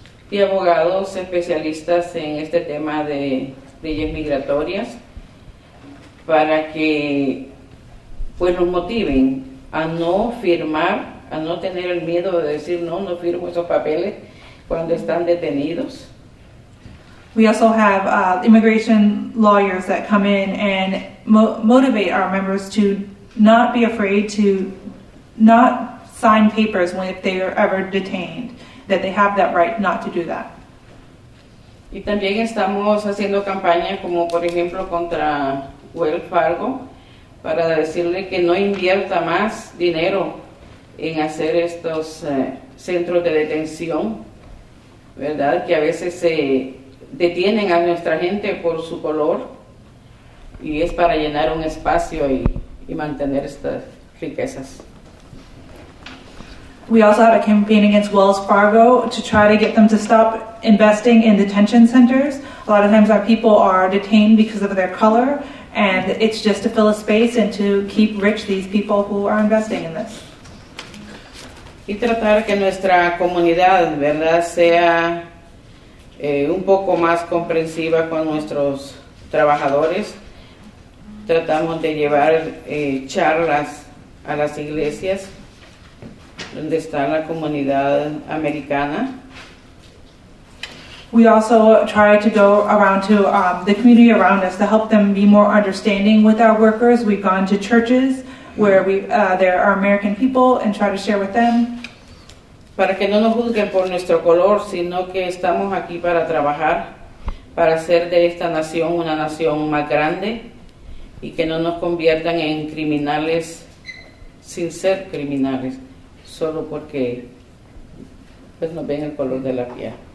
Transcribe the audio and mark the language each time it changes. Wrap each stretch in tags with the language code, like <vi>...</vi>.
<es>Y abogados especialistas en este tema de leyes migratorias para que pues los motiven a no firmar, a no tener el miedo de decir no, no firmo esos papeles cuando están detenidos.</es> <en>We also have immigration lawyers that come in and motivate our members to not be afraid to not sign papers when if they are ever detained, that they have that right not to do that.</en> <es>Y también estamos haciendo campañas como por ejemplo contra Wells Fargo para decirle que no invierta más dinero en hacer estos centros de detención, ¿verdad? Que a veces se detienen a nuestra gente por su color y es para llenar un espacio y mantener estas riquezas.</es> <en>We also have a campaign against Wells Fargo to try to get them to stop investing in detention centers. A lot of times our people are detained because of their color and it's just to fill a space and to keep rich these people who are investing in this.</en> <es>Y tratar que nuestra comunidad, ¿verdad?, sea un poco más comprensiva con nuestros trabajadores. Tratamos de llevar charlas a las iglesias donde está la comunidad americana.</es> <en>We also try to go around to the community around us to help them be more understanding with our workers. We've gone to churches where there are American people and try to share with them.</en> <es>Para que no nos juzguen por nuestro color, sino que estamos aquí para trabajar, para hacer de esta nación una nación más grande y que no nos conviertan en criminales sin ser criminales, solo porque pues nos ven el color de la piel.</es>